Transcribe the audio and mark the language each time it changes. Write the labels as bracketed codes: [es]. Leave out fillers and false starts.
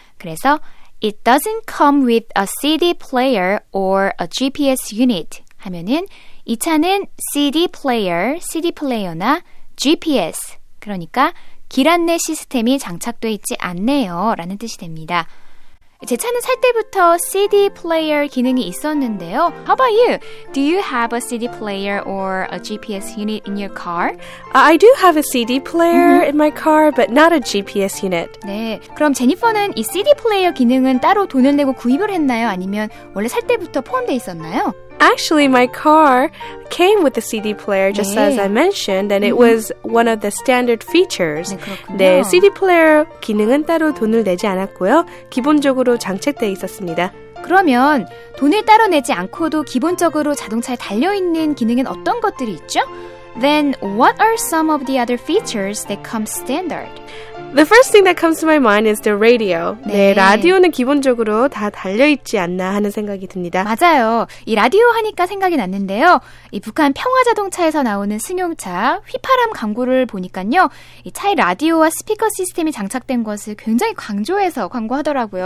[ko] 그래서 [en] It doesn't come with a CD player or a GPS unit [ko] 하면은 이 차는 CD 플레이어나 GPS, 그러니까 길 안내 시스템이 장착되어 있지 않네요. 라는 뜻이 됩니다. 제 차는 살 때부터 CD 플레이어 기능이 있었는데요. [en] How about you? Do you have a CD player or a GPS unit in your car? I do have a CD player mm-hmm. in my car, but not a GPS unit. [ko] 네, 그럼 제니퍼는 이 CD 플레이어 기능은 따로 돈을 내고 구입을 했나요? 아니면 원래 살 때부터 포함되어 있었나요? [en] Actually, my car came with the CD player, just [ko] 네. [en] as I mentioned, and it was one of the standard features. [ko] 네, 네, CD 플레이어 기능은 따로 돈을 내지 않았고요. 기본적으로 장착되어 있었습니다. 그러면 돈을 따로 내지 않고도 기본적으로 자동차에 달려있는 기능은 어떤 것들이 있죠? [en] Then what are some of the other features that come standard? The first thing that comes to my mind is the radio. [ko] 네. 네, 라디오는 기본적으로 다 달려있지 않나 하는 생각이 듭니다. 맞아요. 이 라디오 하니까 생각이 났는데요. 이 북한 평화자동차에서 나오는 승용차 휘파람 광고를 보니까요. 이 차에 라디오와 스피커 시스템이 장착된 것을 굉장히 강조해서 광고하더라고요.